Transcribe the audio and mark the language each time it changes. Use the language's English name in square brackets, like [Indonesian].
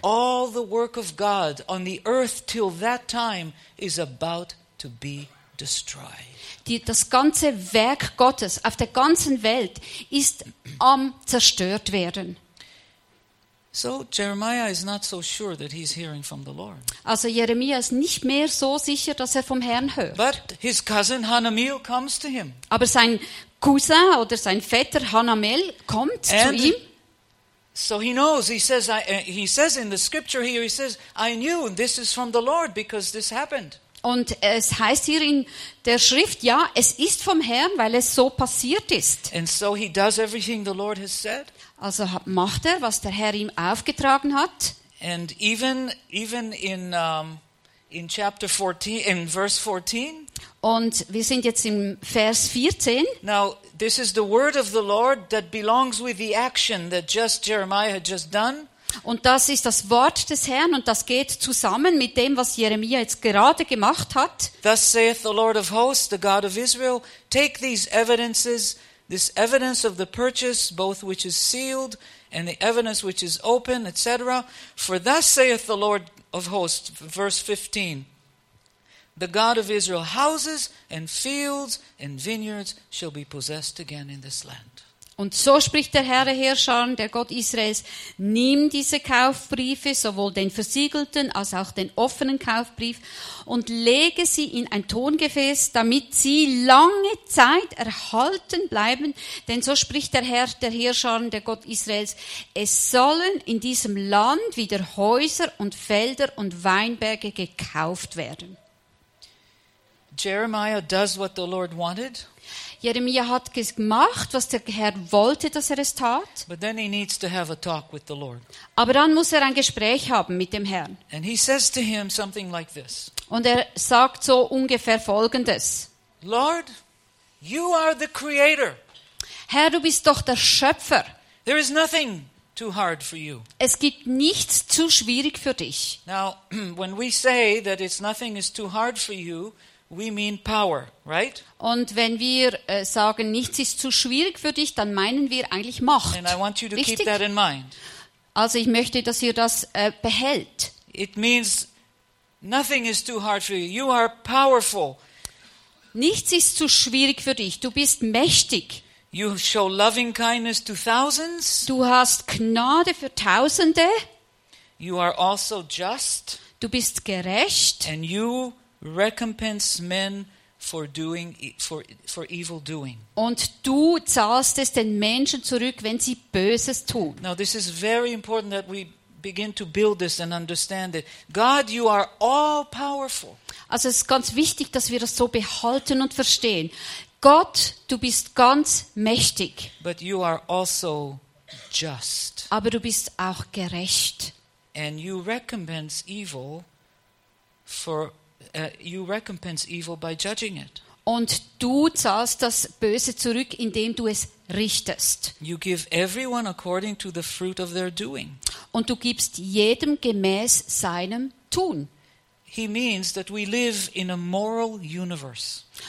[English] All the work of God on the earth till that time is about to be destroyed. [German] Das ganze Werk Gottes auf der ganzen Welt ist am zerstört werden. [English] So Jeremiah is not so sure that he's hearing from the Lord. [German] Also Jeremiah ist nicht mehr so sicher, dass er vom Herrn hört. [English] But his cousin Hanamel comes to him. [German] Aber sein Cousin oder sein Vetter Hanamel kommt [English] and [German] zu ihm. [English] So he knows, he says in the scripture here, he says, I knew this is from the Lord because this happened. [German] Und es heißt hier in der Schrift, ja, es ist vom Herrn, weil es so passiert ist. [English] And so he does everything the Lord has said. [German] Also macht er, was der Herr ihm aufgetragen hat. [English] And even in chapter 14, in verse 14. [German] Und wir sind jetzt im Vers 14. [English] Now, this is the word of the Lord that belongs with the action that just Jeremiah had just done. [German] Und das ist das Wort des Herrn und das geht zusammen mit dem, was Jeremia jetzt gerade gemacht hat. [English] Thus saith the Lord of hosts, the God of Israel, take these evidences, this evidence of the purchase, both which is sealed and the evidence which is open, etc. For thus saith the Lord of hosts, verse 15, the God of Israel, houses and fields and vineyards shall be possessed again in this land. [German] Und so spricht der Herr Herrscher, der Gott Israels, nimm diese Kaufbriefe, sowohl den versiegelten als auch den offenen Kaufbrief, und lege sie in ein Tongefäß, damit sie lange Zeit erhalten bleiben. Denn so spricht der Herr der Herrscher, der Gott Israels, es sollen in diesem Land wieder Häuser und Felder und Weinberge gekauft werden. [English] Jeremiah does what the Lord wanted. [German] Jeremia hat gemacht, was der Herr wollte, dass er es tat. [English] But then he needs to have a talk with the Lord. [German] Aber dann muss er ein Gespräch haben mit dem Herrn. [English] And he says to him something like this. [German] Und er sagt so ungefähr Folgendes. [English] Lord, you are the creator. [German] Herr, du bist doch der Schöpfer. [English] There is nothing too hard for you. [German] Es gibt nichts zu schwierig für dich. [English] Now, when we say that it's nothing is too hard for you, we mean power, right? [German] Und wenn wir sagen, nichts ist zu schwierig für dich, dann meinen wir eigentlich Macht. [English] And I want you to keep that in mind. [German] Also ich möchte, dass ihr das behält. [English] It means nothing is too hard for you. You are powerful. [German] Nichts ist zu schwierig für dich. Du bist mächtig. [English] You show loving kindness to thousands. [German] Du hast Gnade für Tausende. [English] You are also just. [German] Du bist gerecht. [English] And you recompense men for evil doing. [German] Und du zahlst es den Menschen zurück, wenn sie Böses tun. [English] Now this is very important that we begin to build this and understand it. God, you are all powerful. [German] Also es ist ganz wichtig, dass wir das so behalten und verstehen. Gott, du bist ganz mächtig. [English] But you are also just. [German] Aber du bist auch gerecht. [English] And you recompense evil for you recompense evil by judging it. [German] Und du zahlst das Böse zurück, indem du es richtest. [English] You give everyone according to the fruit of their doing. [German] Und du gibst jedem gemäß seinem Tun. [English] He means that we live in a moral universe.